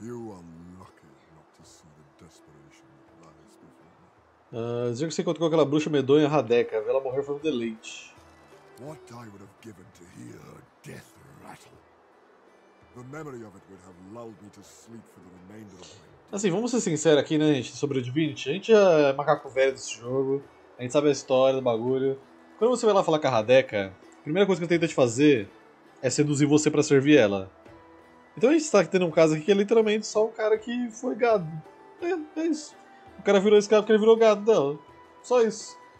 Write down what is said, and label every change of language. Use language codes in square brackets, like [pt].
[en] You are lucky not to see the desperation that lies before me. [pt] Dizer que você encontrou aquela bruxa medonha Radeca, ela morreu foi um deleite. [en] What I would have given to hear her death rattle. The memory of it would have lulled me to sleep for the remainder of my. [pt] Assim, vamos ser sinceros aqui, né, gente, sobre o Divinity. A gente é macaco velho desse jogo, a gente sabe a história do bagulho. Quando você vai lá falar com a Radeca, a primeira coisa que ela tenta te fazer é seduzir você pra servir ela. Então a gente tá tendo um caso aqui que é literalmente só o cara que foi gado. É isso. O cara virou esse cara porque ele virou gado dela. Só isso.